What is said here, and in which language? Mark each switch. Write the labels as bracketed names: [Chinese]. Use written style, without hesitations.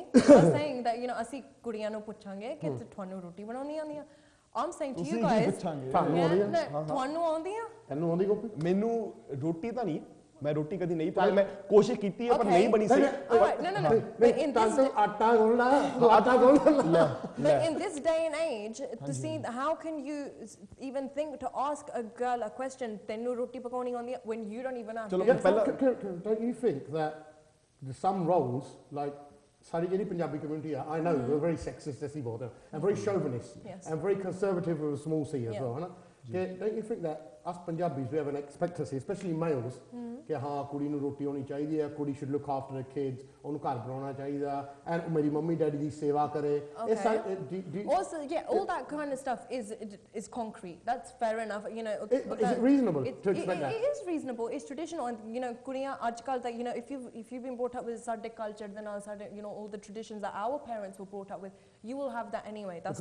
[Punjabi] ਤੁਹਾਨੂੰ ਰੋਟੀ ਬਣਾਉਣੀ ਆਉਂਦੀ [English] I'm saying to you guys [Punjabi] ਮੈਨੂੰ ਰੋਟੀ ਤਾਂ ਨਹੀਂ ਮੈਂ ਰੋਟੀ ਕਦੀ ਨਹੀਂ ਪਾਈ ਮੈਂ ਕੋਸ਼ਿਸ਼ ਕੀਤੀ ਹੈ ਪਰ ਨਹੀਂ ਬਣੀ ਸੀ ਆਟਾ ਗੁੰਨਣਾ [English] in this day and age to see how can you even think to ask a girl a question [Punjabi] ਤੈਨੂੰ ਰੋਟੀ ਪਕਾਉਣੀ ਆਉਂਦੀ ਹੈ [English] when you don't even ask [Punjabi] ਚਲੋ ਪਹਿਲਾਂ [English] don't you think that some roles like [Punjabi] ਸਾਡੀ ਜਿਹੜੀ ਪੰਜਾਬੀ ਕਮਿਊਨਿਟੀ ਆ [English] I know we are very sexist [Punjabi] ਐਸੀ ਬੋਲਦੇ ਆ [English] and very chauvinist and very conservative for a small ਸੀ as well ਹਨਾ ਕਿ don't you think that us Punjabis we have an expectancy especially males [Punjabi] ke ha kudi nu roti honi chahidi hai [English] kudi should look after the kids [Punjabi] onu ghar banona chahida [English] and [Punjabi] meri mummy daddy di seva kare [English] is also yeah all that kind of stuff is concrete that's fair enough you know is it reasonable to expect that it is reasonable it's traditional and you know [Punjabi] kudiyan ajkal [English] that you know if you've been brought up with sadde culture then all sadde you know all the traditions that our parents were brought up with you will have that anyway that's